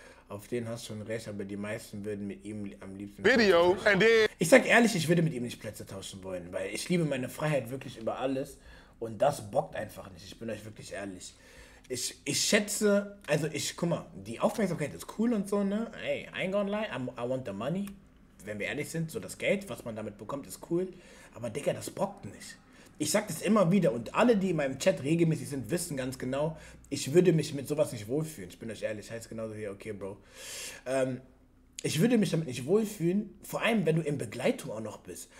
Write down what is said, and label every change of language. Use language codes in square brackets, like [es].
[de] Auf den hast du schon recht, aber die meisten würden mit ihm am liebsten... [en] Video, and then... [de] Ich sag ehrlich, ich würde mit ihm nicht Plätze tauschen wollen, weil ich liebe meine Freiheit wirklich über alles und das bockt einfach nicht. Ich bin euch wirklich ehrlich. Ich schätze, also ich, guck mal, die Aufmerksamkeit ist cool und so, ne? [en] Ey, I ain't gonna lie, I want the money. [de] Wenn wir ehrlich sind, so das Geld, was man damit bekommt, ist cool. Aber Digga, das bockt nicht. Ich sag das immer wieder und alle, die in meinem Chat regelmäßig sind, wissen ganz genau, ich würde mich mit sowas nicht wohlfühlen. Ich bin euch ehrlich, heißt genauso hier, okay, Bro. Ich würde mich damit nicht wohlfühlen, vor allem, wenn du in Begleitung auch noch bist.